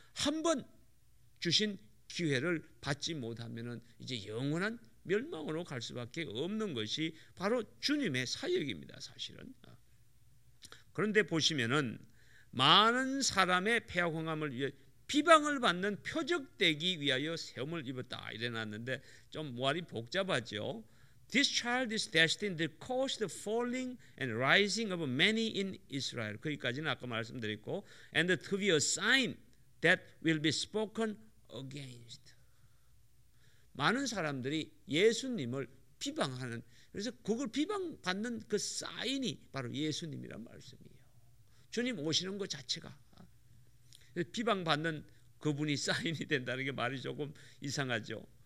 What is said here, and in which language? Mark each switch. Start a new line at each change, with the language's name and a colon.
Korean: 한번 주신 기회를 받지 못하면은 이제 영원한 멸망으로 갈 수밖에 없는 것이 바로 주님의 사역입니다. 사실은 그런데 보시면은 많은 사람의 폐역함을 위해 비방을 받는 표적되기 위하여 세움을 입었다 이래놨는데 좀 말이 복잡하죠.
English: This child is destined to cause the falling and rising of many in Israel.
Korean: 거기까지는 아까 말씀드렸고
English: and to be a sign that will be spoken against.
Korean: 많은 사람들이 예수님을 비방하는 그래서 그걸 비방받는 그 사인이 바로 예수님이란 말씀이에요. 주님 오시는 것 자체가 비방받는 그분이 사인이 된다는 게 말이 조금 이상하죠.